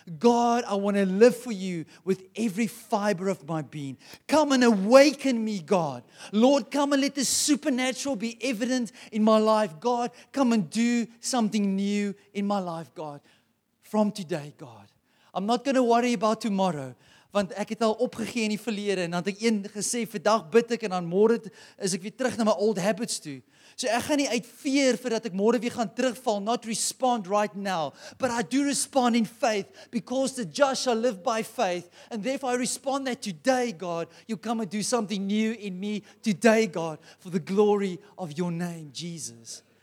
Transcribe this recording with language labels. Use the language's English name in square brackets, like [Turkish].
[English] God, I want to live for You with every fiber of my being. Come and awaken me, God. Lord, come and let the supernatural be evident in my life. God, come and do something new in my life, God. From today, God. I'm not going to worry about tomorrow. [Afrikaans] Want ek het al opgegee in die verlede en dan het ek een gesê, vandag bid ek en dan môre is ek weer terug na my [English] old habits [Afrikaans] toe. So ek gaan nie uit fear vir dat ek môre weer gaan terugval, [English] not respond right now. But I do respond in faith, because the just shall live by faith. And therefore I respond that today, God, You come and do something new in me today, God, for the glory of Your name, Jesus.